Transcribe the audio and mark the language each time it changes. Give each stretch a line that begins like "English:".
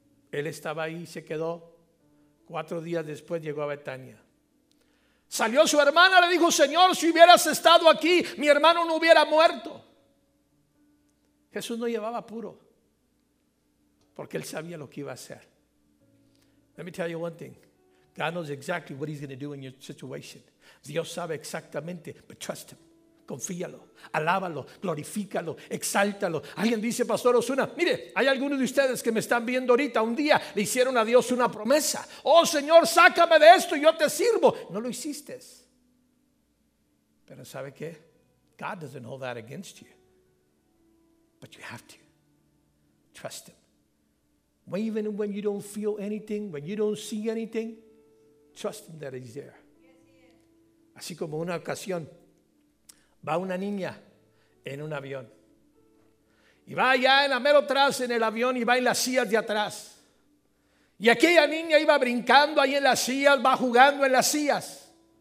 Spanish: Él estaba ahí, se quedó. 4 días después llegó a Betania. Salió su hermana, le dijo: Señor, si hubieras estado aquí, mi hermano no hubiera muerto. Jesús no llevaba apuro, porque él sabía lo que iba a hacer.
English: Let me tell you one thing. God knows exactly what he's going to do in your situation.
Spanish: Dios sabe exactamente,
English: but trust him.
Spanish: Confíalo, alábalo, glorifícalo, exáltalo. Alguien dice: Pastor Osuna, mire, hay algunos de ustedes que me están viendo ahorita. Un día le hicieron a Dios una promesa: oh Señor, sácame de esto y yo te sirvo. No lo hiciste. Pero ¿sabe qué?
English: God doesn't hold that against you. But you have to trust him. Even when you don't feel anything, when you don't see anything, trust him that he's there.
Spanish: Así como una ocasión, va una niña en un avión. Y va allá en la mero atrás en el avión y va en las sillas de atrás. Y aquella niña iba brincando ahí en las sillas, va jugando en las sillas.